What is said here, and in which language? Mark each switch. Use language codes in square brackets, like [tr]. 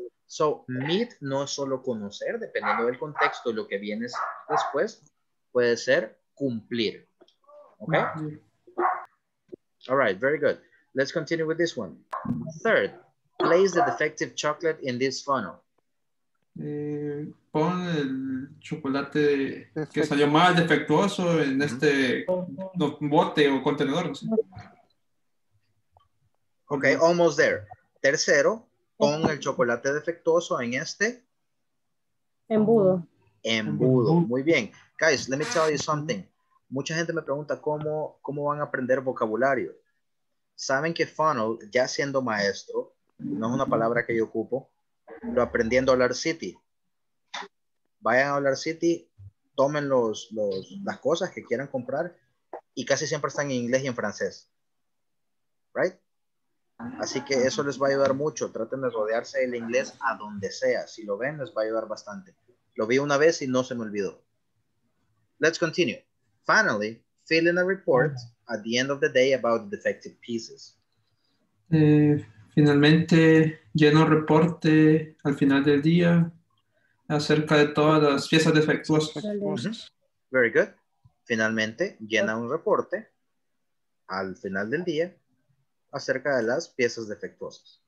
[es] So, meet no es solo conocer, dependiendo del contexto, lo que viene después, puede ser cumplir. [en] Okay? All right, very good. Let's continue with this one. Third, place the defective chocolate in this funnel. [es] Pon el chocolate que salió más defectuoso en este bote o contenedor. ¿Sí? [en] Okay, almost there. [es] Tercero, pon el chocolate defectuoso en este embudo. Embudo. Muy bien. [en] Guys, let me tell you something. [es] Mucha gente me pregunta cómo van a aprender vocabulario. Saben que funnel, ya siendo maestro, no es una palabra que yo ocupo, lo aprendí en Dollar City. Vayan a Dollar City, tomen las cosas que quieran comprar y casi siempre están en inglés y en francés. Right? Así que eso les va a ayudar mucho. Traten de rodearse del inglés a donde sea. Si lo ven, les va a ayudar bastante. Lo vi una vez y no se me olvidó. [en] Let's continue. Finally, fill in a report at the end of the day about the defective pieces. [es] Finalmente, lleno reporte al final del día acerca de todas las piezas defectuosas. [en] Mm-hmm. Very good. [es] Finalmente, llena un reporte al final del día acerca de las piezas defectuosas.